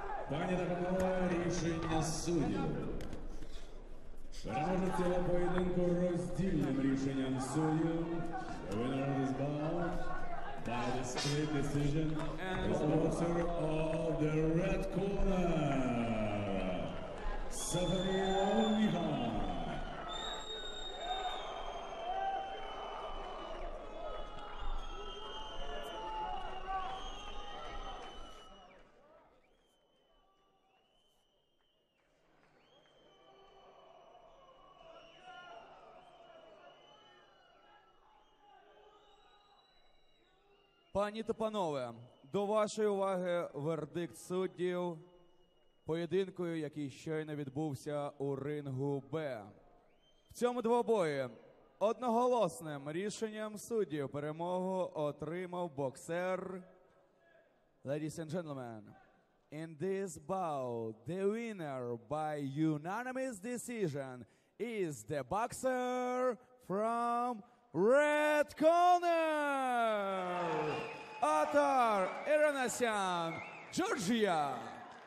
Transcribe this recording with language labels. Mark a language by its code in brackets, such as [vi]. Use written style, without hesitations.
[uk] Пані Дагомолова, рішення суддів. Переможець цього поєдинку роздільним рішенням суддів. [en] Winner is bound by the split decision and the boxer of the red corner, Stephanie Mihan. [uk] Пані та панове, до вашої уваги вердикт суддів поєдинкою, який щойно відбувся у рингу Б. В цьому двобої одноголосним рішенням суддів перемогу отримав боксер. [en] Ladies and gentlemen, in this bout, the winner by unanimous decision is the boxer from Red Corner! Atar Iranasyan, Georgia!